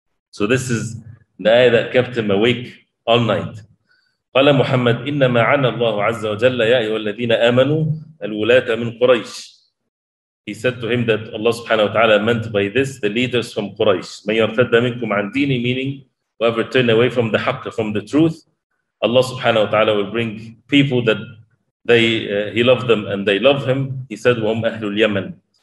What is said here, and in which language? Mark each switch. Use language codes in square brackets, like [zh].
[en] So this is the ayah that kept him awake all night. [ar] قال محمد إنما عنا الله عز وجل يا أيها الذين آمنوا الولاة من قريش. [en] He said to him that Allah subhanahu wa ta'ala meant by this the leaders from Quraysh. [ar] من يرتد منكم عن ديني, [en] meaning whoever turn away from the haqq, from the truth, Allah subhanahu wa ta'ala will bring people that he loved them and they love him. He said, [ar] وهم أهل اليمن.